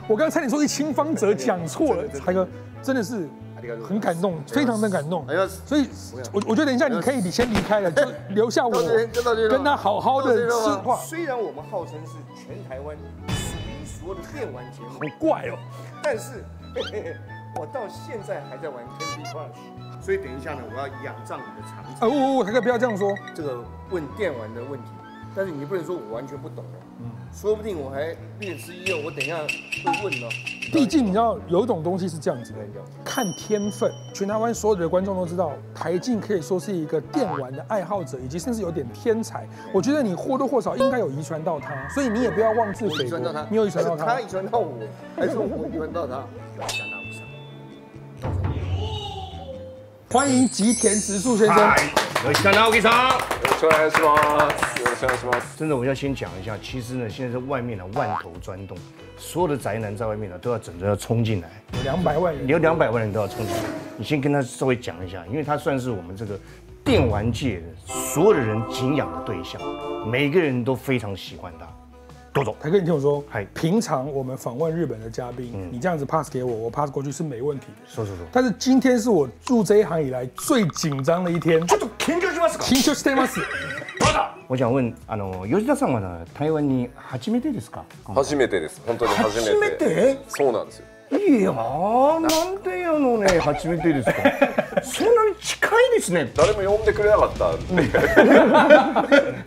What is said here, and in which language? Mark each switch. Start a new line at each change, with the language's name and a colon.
Chinese: 我刚才你说一清方泽，讲错了，才哥，真的是。很感动，非常的感动，所以我觉得等一下你可以先离开了，就留下我跟他好好的吃话。虽然我们号称是全台湾数一数二的电玩节目，好怪哦，但是我到现在还在玩 Candy Crush， 所以等一下呢，我要仰仗你的长才。台哥不要这样说，这个问电玩的问题，但是你不能说我完全不懂，说不定我还略知一二，我等一下会问呢。毕竟你知道有一种东西是这样子的，看天分。全台湾所有的观众都知道，台静可以说是一个电玩的爱好者，以及甚至有点天才。我觉得你或多或少应该有遗传到他，所以你也不要妄自菲薄。遗传到他，你有遗传到他，他遗传到我，还是我遗传到他？相当不少。欢迎吉田直树先生。有请大家给掌。有请大家吃吗？有请大家吃吗？真的，我要先讲一下，其实呢，现在在外面呢，万头钻洞。所有的宅男在外面都要整着要冲进来，有200万人，有200万人都要冲进来。你先跟他稍微讲一下，因为他算是我们这个电玩界的所有的人敬仰的对象，每个人都非常喜欢他。多总，台哥，你听我说，平常我们访问日本的嘉宾，你这样子 pass 给我，我 pass 过去是没问题的。说说说。但是今天是我入这一行以来最紧张的一天。
Japanese: ちょっと緊張しますか？緊張してます。
Chinese: 我想问，
Japanese: 吉田さんは台湾に初めてですか？初めてです。本当に初めて。初めて？そうなんですよ。いやー、なんでやのね、初めてですか？そんなに近いですね。誰も呼んでくれなかったんで。